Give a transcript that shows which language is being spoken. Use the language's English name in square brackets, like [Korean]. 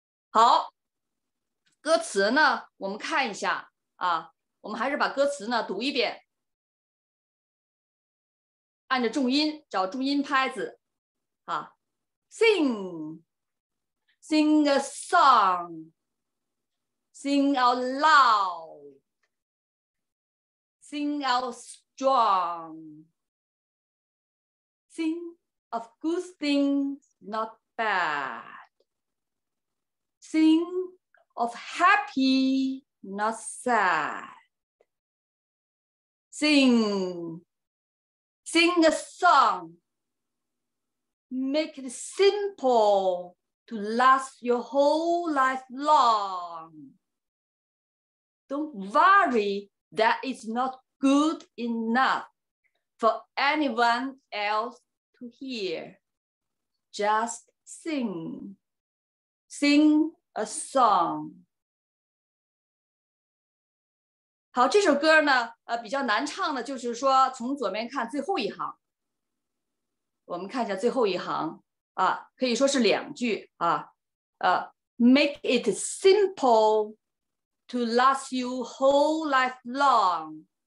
[Chinese] 好，歌词呢，我们看一下啊，我们还是把歌词呢读一遍，按着重音找重音拍子啊 ，sing。 [English] Sing a song, sing out loud, sing out strong, sing of good things, not bad, sing of happy, not sad, sing a song, make it simple. To last your whole life long. Don't worry that it's not good enough for anyone else to hear. Just sing. Sing a song. [Chinese] 好，这首歌呢，比较难唱的，就是说从左边看最后一行。我们看一下最后一行。啊，可以说是两句啊， [English] make it simple to last you whole life long.